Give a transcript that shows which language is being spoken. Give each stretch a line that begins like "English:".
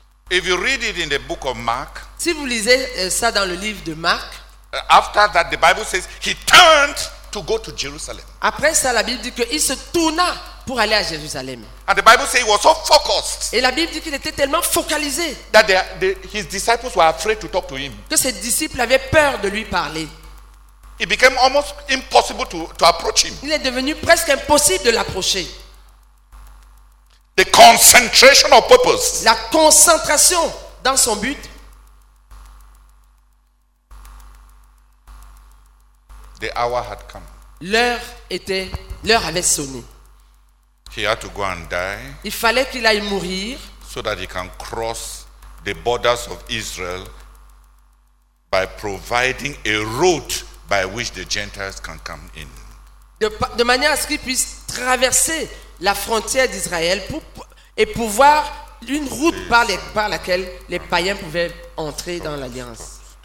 English: If you read it in the book of Mark,
French: si vous lisez ça dans le livre de Marc,
English: after that the Bible says he turned to go to Jerusalem.
French: Après ça la Bible dit qu'il se tourna pour aller à Jérusalem.
English: And the Bible says he was so focused.
French: Et la Bible dit qu'il était tellement focalisé
English: that his disciples were afraid to talk to him.
French: Que ses disciples avaient peur de lui parler.
English: It became almost impossible to approach him.
French: Il est devenu presque impossible de l'approcher.
English: The concentration of purpose.
French: La concentration dans son but.
English: The hour had come.
French: L'heure avait sonné.
English: He had to go and die.
French: Il fallait qu'il aille mourir.
English: So that he can cross the borders of Israel by providing a route by which the Gentiles can come in.
French: De manière à ce qu'il puisse traverser la frontière d'Israël et pouvoir une route par laquelle les païens pouvaient entrer dans l'alliance.